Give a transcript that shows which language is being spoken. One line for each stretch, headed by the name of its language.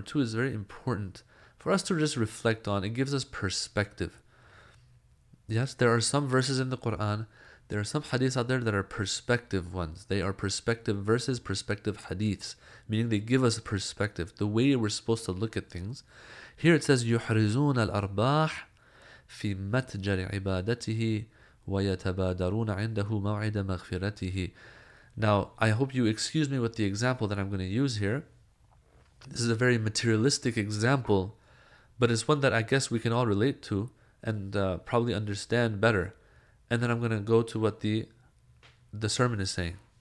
English: Number two, is very important for us to just reflect on. It gives us perspective. Yes, there are some verses in the Quran, there are some hadiths out there that are perspective ones. They are perspective verses, perspective hadiths, meaning they give us perspective, the way we're supposed to look at things. Here it says,
Arabic: يُحْرِزُونَ الْأَرْبَاحِ فِي مَتْجَرِ عِبَادَتِهِ وَيَتَبَادَرُونَ عِنْدَهُ مَوْعِدَ مَغْفِرَتِهِ.
English: Now, I hope you excuse me with the example that I'm going to use here. This is a very materialistic example, but it's one that I guess we can all relate to and probably understand better. And then I'm going to go to what the sermon is saying.